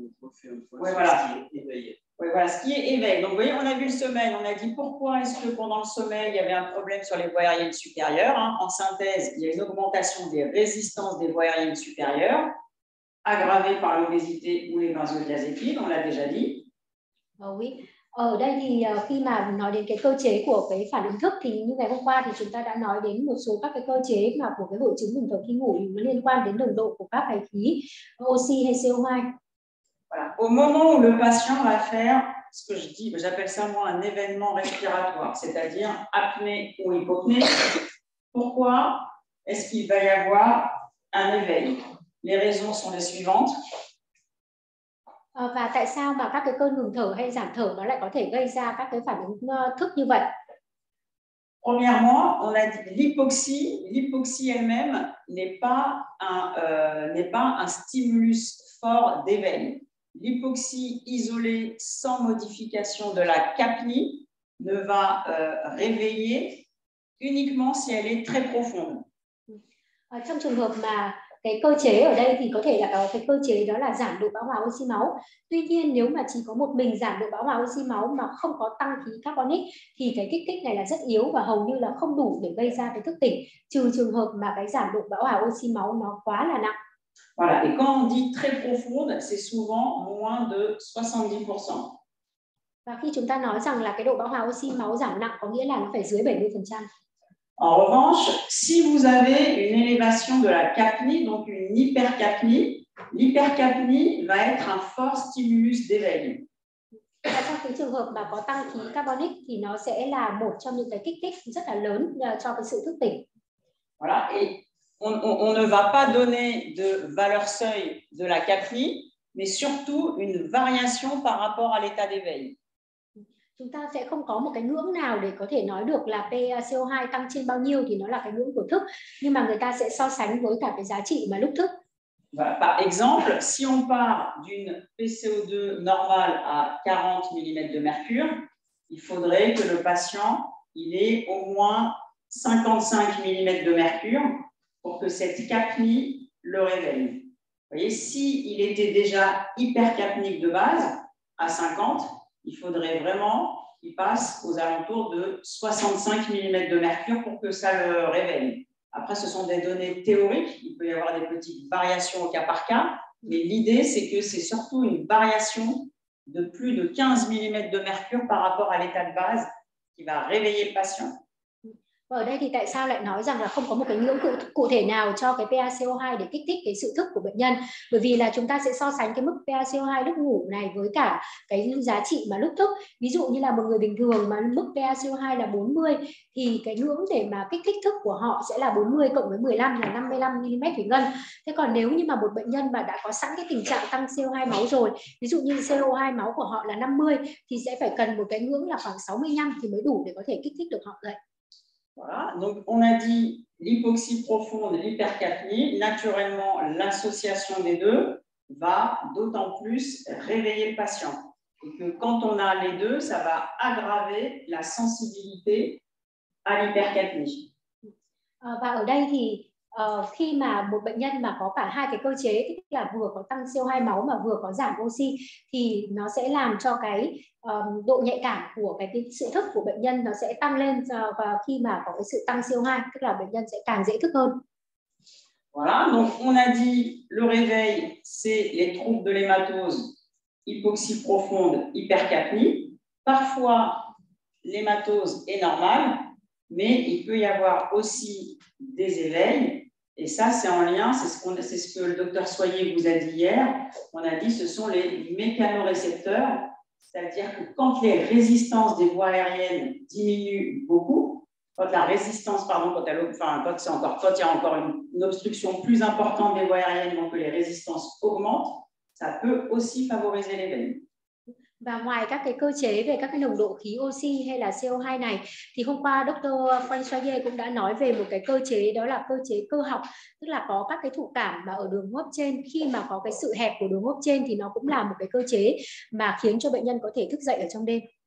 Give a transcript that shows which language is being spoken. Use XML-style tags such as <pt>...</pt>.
<fr>ouais, voilà. Ce qui est éveil. Oui, voilà, ce qui est éveil. Donc, vous voyez, on a vu le sommeil. On a dit pourquoi est-ce que pendant le sommeil, il y avait un problème sur les voies aériennes supérieures. Hein. En synthèse, il y a une augmentation des résistances des voies aériennes supérieures, aggravée par l'obésité ou les benzodiazépines, on l'a déjà dit. Oui.</fr> <vi>Ở đây thì khi mà nói đến cái cơ chế của cái phản ứng thức thì như ngày hôm qua thì chúng ta đã nói đến một số các cái cơ chế mà của cái hội chứng ngừng thở khi ngủ nó liên quan đến nồng độ của các cái khí oxy hay CO2.</vi> <fr>Voilà. Au moment où le patient va faire ce que je dis, j'appelle ça moi un événement respiratoire, c'est-à-dire apnée ou hypopnée, pourquoi est-ce qu'il va y avoir un éveil? Les raisons sont les suivantes.</fr> <vi>Và tại sao mà các cái cơn ngừng thở hay giảm thở nó lại có thể gây ra các cái phản ứng thức như vậy?</vi> <fr>Premièrement, on a dit l'hypoxie. L'hypoxie elle-même n'est pas un stimulus fort d'éveil. L'hypoxie isolée sans modification de la capnie ne va réveiller uniquement si elle est très profonde.</fr> <vi>Trong trường hợp mà cái cơ chế ở đây thì có thể là có cái cơ chế đó là giảm độ bão hòa oxy máu. Tuy nhiên nếu mà chỉ có một mình giảm độ bão hòa oxy máu mà không có tăng khí carbonic thì cái kích thích này là rất yếu và hầu như là không đủ để gây ra cái thức tỉnh, trừ trường hợp mà cái giảm độ bão hòa oxy máu nó quá là nặng.</vi> <fr>Voilà, et quand on dit très profonde, c'est souvent moins de 70%.</fr> <vi>Và khi chúng ta nói rằng là cái độ bão hòa oxy máu giảm nặng có nghĩa là nó phải dưới 70%.</vi> <fr>En revanche, si vous avez une élévation de la capnie, donc une hypercapnie, l'hypercapnie va être un fort stimulus d'éveil. Dans le cas où il y a un</fr> <vi>tăng khí carbonic, thì nó sẽ là một trong những cái kích thích rất là lớn cho cái sự thức tỉnh.</vi> <fr>Voilà, et on ne va pas donner de valeur seuil de la capnie, mais surtout une variation par rapport à l'état d'éveil.</fr> <vi>Chúng ta sẽ không có một cái ngưỡng nào để có thể nói được là PCO2 tăng trên bao nhiêu thì nó là cái ngưỡng của thức, nhưng mà người ta sẽ so sánh với cả cái giá trị mà lúc thức.</vi> <fr>Par exemple, si on part d'une PCO2 normale à 40 mm de mercure, il faudrait que le patient il ait au moins 55 mm de mercure pour que cette capnie le réveille. Vous voyez, si il était déjà hypercapnique de base à 50, il faudrait vraiment qu'il passe aux alentours de 65 mm de mercure pour que ça le réveille. Après, ce sont des données théoriques. Il peut y avoir des petites variations au cas par cas. Mais l'idée, c'est que c'est surtout une variation de plus de 15 mm de mercure par rapport à l'état de base qui va réveiller le patient.</fr> <vi>Và ở đây thì tại sao lại nói rằng là không có một cái ngưỡng cụ thể nào cho cái PaCO2 để kích thích cái sự thức của bệnh nhân? Bởi vì là chúng ta sẽ so sánh cái mức PaCO2 lúc ngủ này với cả cái giá trị mà lúc thức. Ví dụ như là một người bình thường mà mức PaCO2 là 40 thì cái ngưỡng để mà kích thích thức của họ sẽ là 40 cộng với 15 là 55mm thủy ngân. Thế còn nếu như mà một bệnh nhân mà đã có sẵn cái tình trạng tăng CO2 máu rồi, ví dụ như CO2 máu của họ là 50 thì sẽ phải cần một cái ngưỡng là khoảng 65 thì mới đủ để có thể kích thích được họ dậy.</vi> <fr>Voilà, donc on a dit l'hypoxie profonde et l'hypercapnie, naturellement l'association des deux va d'autant plus réveiller le patient. Et que quand on a les deux, ça va aggraver la sensibilité à l'hypercapnie.</fr> <vi>Và ở đây thì khi mà một bệnh nhân mà có cả hai cái cơ chế, tức là vừa có tăng CO2 máu mà vừa có giảm oxy, thì nó sẽ làm cho cái độ nhạy cảm của cái sự thức của bệnh nhân nó sẽ tăng lên và khi mà có cái sự tăng CO2, tức là bệnh nhân sẽ càng dễ thức hơn.</vi> <fr>Voilà, donc on a dit le réveil, c'est les troubles de l'hématose, hypoxie profonde, hypercapnie. Parfois, l'hématose est normale, mais il peut y avoir aussi des éveils, et ça c'est en lien, c'est ce que le docteur Soyer vous a dit hier, on a dit ce sont les mécanorécepteurs, c'est-à-dire que quand les résistances des voies aériennes diminuent beaucoup, quand il y a encore une obstruction plus importante des voies aériennes, donc que les résistances augmentent, ça peut aussi favoriser l'éveil.</fr> <vi>Và ngoài các cái cơ chế về các cái nồng độ khí oxy hay là CO2 này thì hôm qua Dr. Frank Soye cũng đã nói về một cái cơ chế, đó là cơ chế cơ học, tức là có các cái thụ cảm mà ở đường hô hấp trên, khi mà có cái sự hẹp của đường hô hấp trên thì nó cũng là một cái cơ chế mà khiến cho bệnh nhân có thể thức dậy ở trong đêm.</vi>